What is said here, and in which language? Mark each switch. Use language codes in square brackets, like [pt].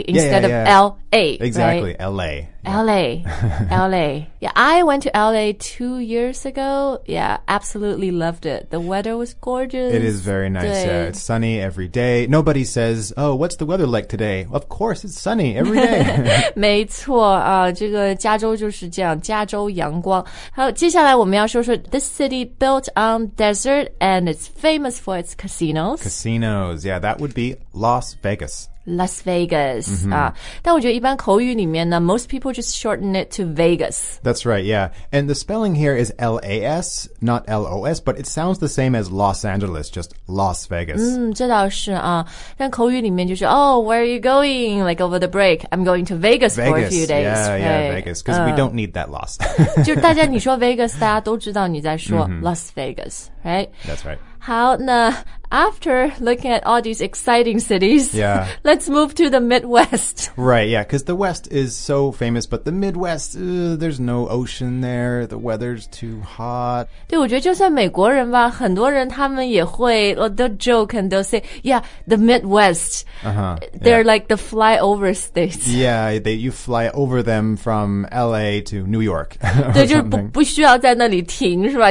[en] instead yeah, yeah, yeah. of L.A. Exactly,、 right? L.A.、 Yeah. L.A. L.A. Yeah, I went to L.A. 2 years ago. Yeah, absolutely loved it. The weather was gorgeous. It is very nice. Yeah, it's sunny every day. Nobody says, oh, what's the weather like today? Of course, it's sunny every day. [zh] 没错、啊、这个加州就是这样，加州阳光。好，接下来我们要说说 [en] this city built on desert and it's famous for its casinos. Casinos, yeah, that would be Las Vegas. Las Vegas. Mm-hmm. [zh] 但我觉得一般口语里面呢 [en] most people just shorten it to Vegas. That's right, yeah. And the spelling here is L-A-S, not L-O-S, but it sounds the same as Los Angeles, just Las Vegas. [zh] 这倒是啊。但口语里面就是 [en] oh, where are you going? Like over the break, I'm going to Vegas, Vegas for a few days. Yeah,、 right? yeah, Vegas, because、we don't need that loss. [zh] 就大家你说 Vegas, 大家都知道你在说、mm-hmm. [en] Las Vegas, right? That's right. [zh] 好，那 [en] after looking at all these exciting cities, yeah. let's move to the Midwest. Right, yeah, because the West is so famous, but the Midwest, there's no ocean there, the weather's too hot. [zh] 对，我觉得就算美国人吧，很多人他们也会 [en] they'll joke and they'll say, yeah, the Midwest,、 uh-huh, they're yeah. like the flyover states. Yeah, you fly over them from LA to New York. [zh] 对，就是不需要在那里停，是吧？